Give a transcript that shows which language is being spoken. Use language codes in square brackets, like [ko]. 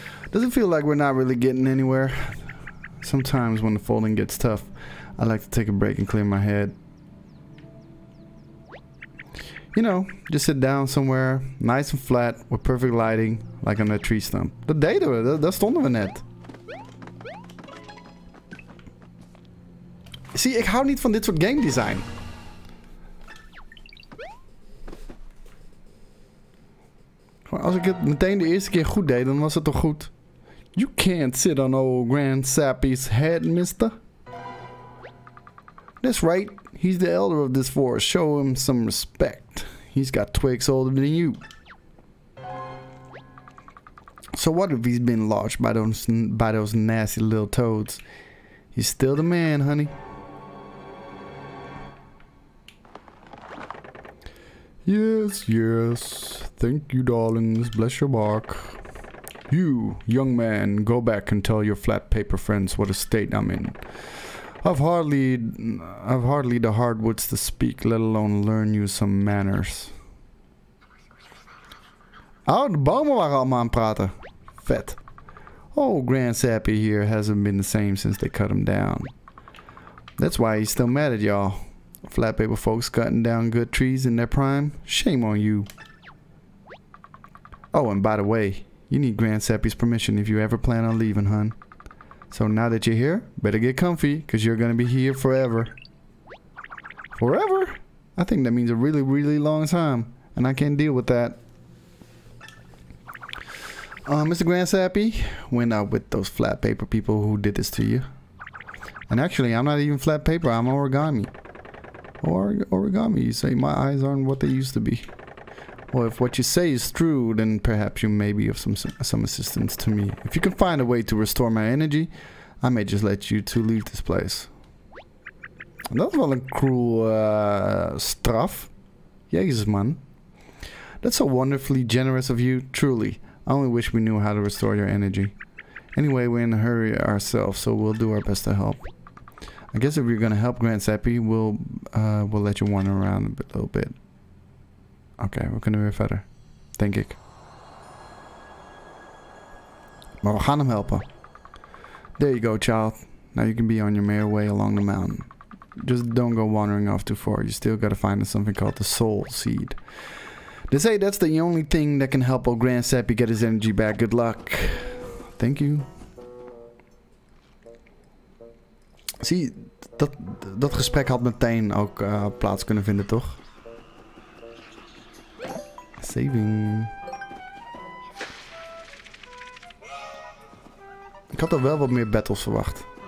[en] Does it feel like we're not really getting anywhere? Sometimes when the folding gets tough, I like to take a break and clear my head. You know, just sit down somewhere, nice and flat, with perfect lighting, like on a tree stump. [nl] Dat deden we, daar stonden we net. Zie, ik hou niet van dit soort game design. Als ik het meteen de eerste keer goed deed, dan was het toch goed. [en] You can't sit on old Grand Sappy's head, mister. That's right. He's the elder of this forest. Show him some respect. He's got twigs older than you. So what if he's been lodged by those nasty little toads? He's still the man, honey. Yes, yes. Thank you, darlings. Bless your bark. You, young man, go back and tell your flat paper friends what a state I'm in. I've hardly the hardwoods to speak, let alone learn you some manners. [nl] Oh, de bomen waren allemaal aan het praten. Vet. [en] Oh, Grand Sappy here hasn't been the same since they cut him down. That's why he's still mad at y'all. Flat paper folks cutting down good trees in their prime? Shame on you. Oh, and by the way, you need Grand Sappy's permission if you ever plan on leaving, hun. So now that you're here, better get comfy, because you're gonna be here forever. Forever? I think that means a really, really long time, and I can't deal with that. Mr. Grand Sappy, went out with those flat paper people who did this to you. And actually, I'm not even flat paper, I'm origami. Origami, you say my eyes aren't what they used to be. Well, if what you say is true, then perhaps you may be of some assistance to me. If you can find a way to restore my energy, I may just let you two leave this place. [nl] Dat is wel een cruel straf. Jezus, man. [en] That's so wonderfully generous of you, truly. I only wish we knew how to restore your energy. Anyway, we're in a hurry ourselves, so we'll do our best to help. I guess if you're gonna help Grand Sappy, we'll let you wander around a little bit. Okay, we're gonna be better, [nl] denk ik. Maar we gaan hem helpen. [en] There you go, child. Now you can be on your merry way along the mountain. Just don't go wandering off too far. You still gotta find something called the soul seed. They say that's the only thing that can help old Grand Sappy get his energy back. Good luck. Thank you. [nl] Zie, dat gesprek had meteen ook plaats kunnen vinden, toch? [en] Saving. [nl] Ik had al wel wat meer battles verwacht.